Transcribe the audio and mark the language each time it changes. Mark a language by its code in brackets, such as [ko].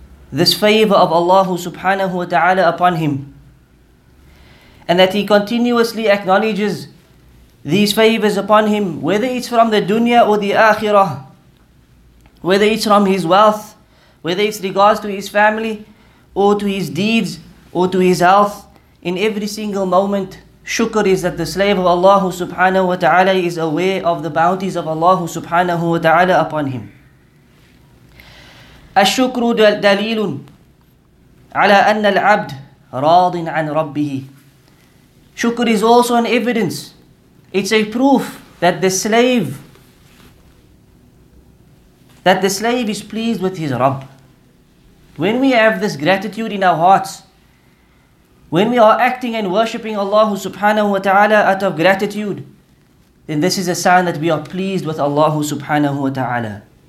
[en] this favor of Allah subhanahu wa ta'ala upon him, and that he continuously acknowledges these favors upon him, whether it's from the dunya or the akhirah, whether it's from his wealth, whether it's regards to his family, or to his deeds, or to his health. In every single moment, shukr is that the slave of Allah subhanahu wa ta'ala is aware of the bounties of Allah subhanahu wa ta'ala upon him. [ar] الشكر دليل على أن العبد راض عن ربه. [en] Shukr is also an evidence. It's a proof that the slave is pleased with his Rabb. When we have this gratitude in our hearts, when we are acting and worshipping Allah subhanahu wa ta'ala out of gratitude, then this is a sign that we are pleased with Allah subhanahu wa ta'ala.